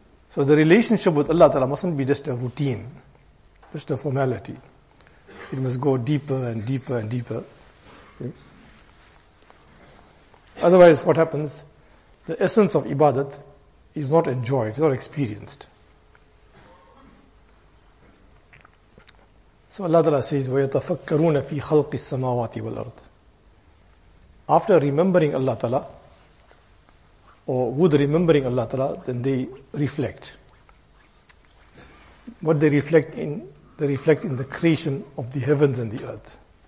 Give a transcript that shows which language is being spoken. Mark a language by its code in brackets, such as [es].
[en] So the relationship with Allah Ta'ala mustn't be just a routine, just a formality. It must go deeper and deeper and deeper. See? Otherwise, what happens? The essence of ibadat is not enjoyed, it's not experienced. So Allah Ta'ala says, [ar] وَيَتَفَكَّرُونَ فِي خَلْقِ السَّمَاوَاتِ وَالْأَرْضِ. [en] After remembering Allah Ta'ala, or with remembering Allah Ta'ala, then they reflect. What they reflect in? They reflect in the creation of the heavens and the earth.